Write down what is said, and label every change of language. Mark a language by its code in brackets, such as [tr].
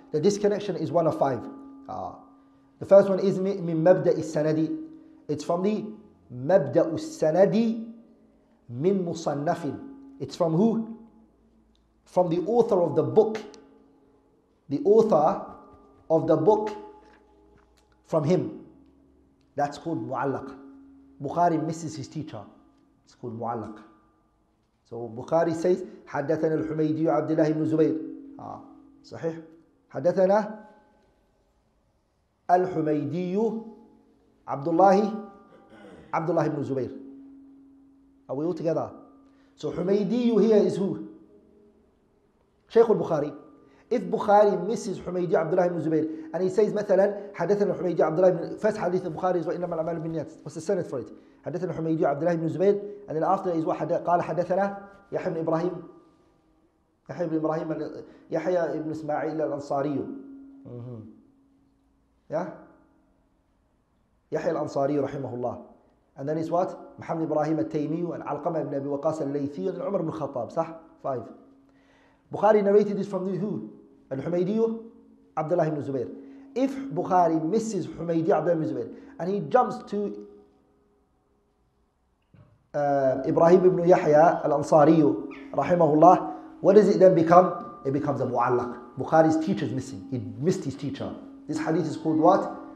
[en] The disconnection is one of five. The first one is [ar] مِن مَبْدَأِ السَّنَدِ. [en] It's from the [ar] مَبْدَأُ السَّنَدِ مِن مُصَنَّفٍ. [en] It's from who? From the author of the book. The author of the book, from him. That's called مُعَلَّق. Bukhari misses his teacher. It's called مُعَلَّق. So Bukhari says, [ar] حَدَّثَنَا الْحُمَيْدِيُ عَبْدِ اللَّهِ بْنُ زُبَيْرٍ. صحيح. حَدَّثَنَا الْحُمَيْدِيُ عَبْدُ اللَّهِ بْنُ زُبَيْرٍ. [en] Are we all together? So حُمَيْدِيُ here is who? Shaykh al-Bukhari. If Bukhari misses [ar] حُمَيْدِيُ عَبْدُ اللَّهِ بْنُ زُبَيْرٍ, [en] and he says, [ar] مثلاً, حَدَّثَنَا الْحُمَيْدِيُ عَبْدُ اللَّهِ بْنُ زُبَيْرٍ. [en] First hadith of Bukhari is [ar] وَإِنَّمَا الْأَعْمَالُ بِالنِّيَّاتِ. [en] What's the sentence for it? [ar] حدثنا الحميدي عبد الله بن زبير. [en] And then after is [ar] واحد قال حدثنا يحيى بن إبراهيم. يحيى بن إبراهيم يحيى بن إسماعيل الأنصاري. [en] Yeah. [ar] يحيى الأنصاري رحمه الله. [en] And then is what? [ar] محمد إبراهيم التيمي وعلقمة بن أبي وقاص الليثي وعمر بن الخطاب. صح. [en] Five. بخاري narrated this from who? [ar] الحميدي عبد الله بن زبير. [en] If بخاري misses حميدي عبد الله بن زبير and he jumps to Ibrahim ibn Yahya al-Ansari rahimahullah, what does it then become? It becomes a mu'allaq. Bukhari's teacher is missing. He missed his teacher. This hadith is called what?